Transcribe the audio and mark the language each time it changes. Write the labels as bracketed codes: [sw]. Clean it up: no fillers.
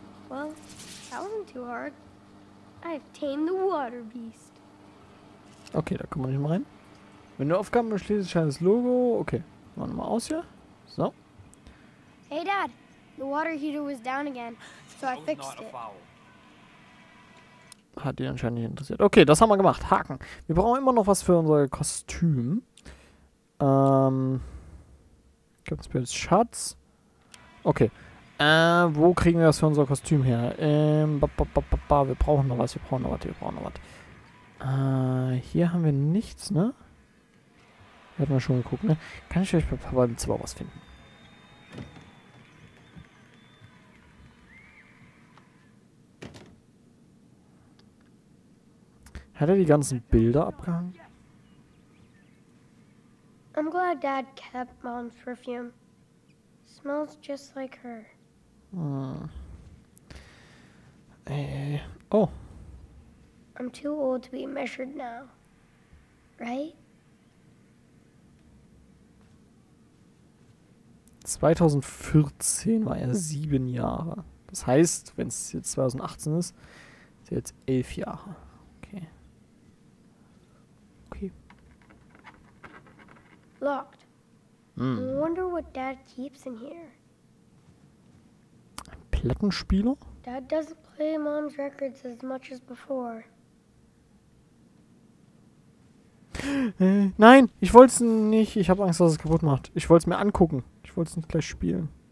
[en] Well, that wasn't too hard. I've tamed the water beast. [de] Okay, da kommen wir nicht mal rein. Wenn du Aufgaben beschließt, scheint das Logo. Okay, machen wir mal aus hier. So. [en] Hey Dad, the water heater was down again, so I fixed it. [de] Hat dich anscheinend nicht interessiert. Okay, das haben wir gemacht. Haken. Wir brauchen immer noch was für unser Kostüm. Gibt's bei uns Schatz? Okay. Wo kriegen wir das für unser Kostüm her? Wir brauchen noch was, wir brauchen noch was. Hier haben wir nichts, ne? Hätten wir schon geguckt, ne? Kann ich vielleicht bei Papa im Zimmer was finden? Hat er die ganzen Bilder abgehangen? [en] I'm glad Dad kept Mom's perfume. Smells just like her. Hm. Oh. I'm too old to be measured now. Right? [de] 2014 war er 7 Jahre. Das heißt, wenn es jetzt 2018 ist, ist er jetzt 11 Jahre. Okay. Okay. [en] Locked. Hm. I wonder what Dad keeps in here. [de] Ein Plattenspieler? [en] Dad doesn't play Mom's records as much as before. [de] Nein, ich wollte es nicht. Ich habe Angst, dass es kaputt macht. Ich wollte es mir angucken. Ich wollte es nicht gleich spielen.